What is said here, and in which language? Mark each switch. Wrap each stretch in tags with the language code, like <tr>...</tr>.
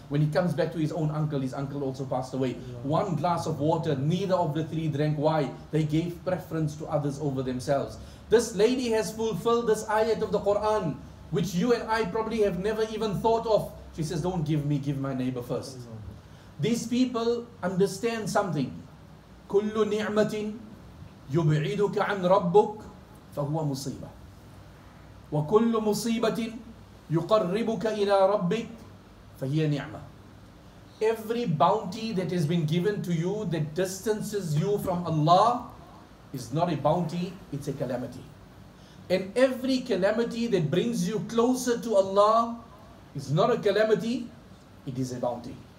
<en>When he comes back to his uncle also passed away. One glass of water, neither of the 3 drank. Why? They gave preference to others over themselves. This lady has fulfilled this ayat of the Quran, which you and I probably have never even thought of. She says, don't give me, give my neighbor first. These people understand something.</en> <ar>كل نعمة يبعدك عن ربك فهو مصيبة وكل مصيبة يقربك إلى ربك فهي نعمة.</ar> <en>Every bounty that has been given to you that distances you from Allah is not a bounty, it's a calamity. And every calamity that brings you closer to Allah, it's not a calamity, it is a bounty.</en>